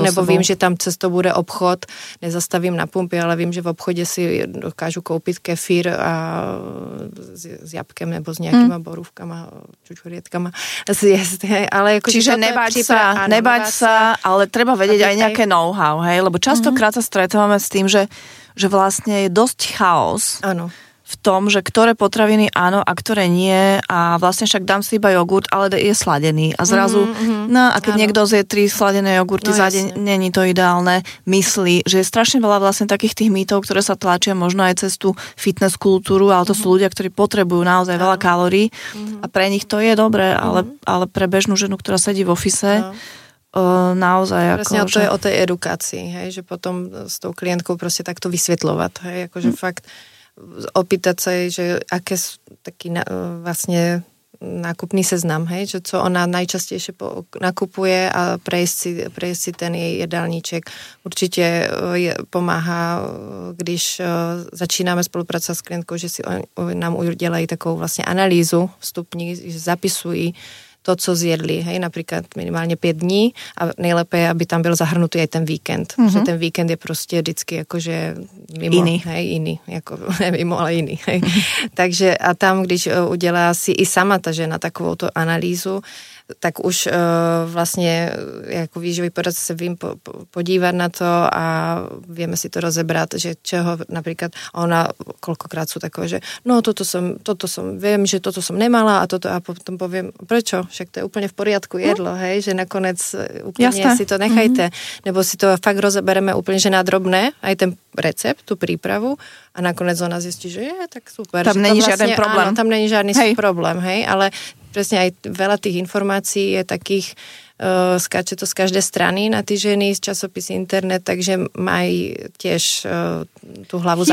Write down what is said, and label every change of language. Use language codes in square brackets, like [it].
[cs] Jo, nebo vím, že tam cestou bude obchod, nezastavím na pumpě, ale vím, že v obchodě si dokážu koupit kefír a s jabkem nebo s nějakýma borůvkama, čučurětkama. Ale jako, [sk] čiže nebať sa, ale treba vědět aj nějaké know-how, hej? Lebo častokrát sa stretáváme s tým, že vlastně je dosť chaos. [cs] Ano. [sk] V tom, že ktoré potraviny áno a ktoré nie a vlastne však dám si iba jogurt, ale je sladený a zrazu, no a keď niekto zje 3 sladené jogurty za deň, není to ideálne, myslí, že je strašne veľa vlastne takých tých mýtov, ktoré sa tlačia možno aj cez tú fitness kultúru, ale to sú ľudia, ktorí potrebujú naozaj veľa kalórií a pre nich to je dobré, ale pre bežnú ženu, ktorá sedí v ofise, naozaj. Presne, ako, to že... je o tej edukácii, hej, že potom s tou klientkou proste takto vysvetľovať, hej, akože fakt opýtať sa, že aké sú taký vlastne nákupný seznam, hej, že co ona najčastejšie nakupuje a prejsť si ten jej jedálniček. [cs] Určite pomáha, když začíname spolupracovať s klientkou, že si nám udelají takovou vlastne analýzu vstupní, že zapisují to, co zjedli, hej, [sk] napríklad minimálne 5 dní [cs] a nejlépe je, aby tam byl zahrnutý aj ten víkend, že ten víkend je prostě vždycky jakože mimo, [sk] iný, [cs] hej, iný, jako ne mimo, ale iný, hej. Takže a tam, když udělá si i sama ta žena takovou tu analýzu, tak už vlastně jako výživový poradce se vím podívat na to a víme si to rozebrat, že čeho například ona kolikrát jsou takové, že no toto jsem, vím, že toto jsem nemala a toto a potom povím, proč? [sk] Však to je úplně v poriadku jedlo, hej, že nakonec úplně jasné. Si to nechajte. [cs] Mm-hmm. Nebo si to fakt rozebereme úplně, že nádrobné, aj ten recept, tu přípravu a nakonec ona zjistí, že je tak super. Tam není vlastně, žádný problém. [sk] Áno, [cs] tam není žádný problém, [sk] hej, ale presne aj veľa tých informácií je takých, skáče to z každej strany na tie ženy, z časopisy internet, takže mají tiež tú hlavu